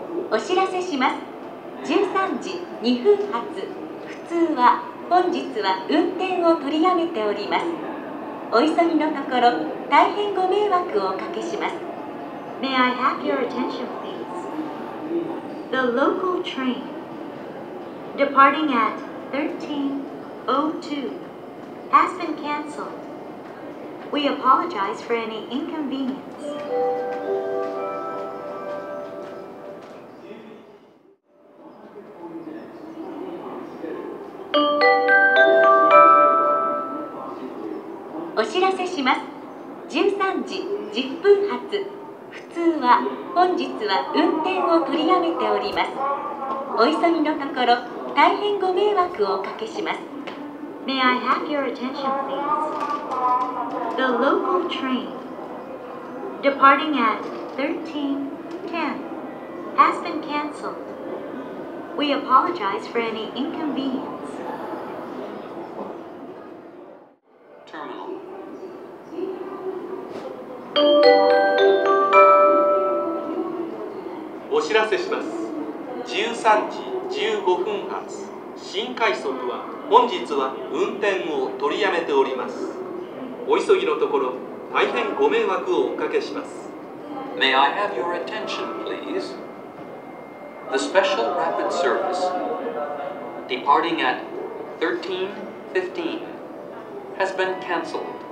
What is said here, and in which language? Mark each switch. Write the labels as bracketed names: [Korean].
[Japanese] お知らせします。 13時2分発普通は本日は運転を取りやめております。お急ぎのところ大変ご迷惑をおかけします。 [English] May I have your attention please? The local train departing at 1302 has been cancelled. We apologize for any inconvenience. Thank you. [Japanese] 知らせします。 13時10分発普通は本日は運転を取りやめております。お急ぎのところ大変ご迷惑をおかけします。 [English] May I have your attention please? The local train departing at 13:10 has been cancelled. We apologize for any inconvenience. Terminal. [Japanese] お知らせします。 13時15分発新快速は本日は運転を取りやめております。お急ぎのところ大変ご迷惑をおかけします。 [English] May I have your attention please? The special rapid service departing at 13:15 has been cancelled.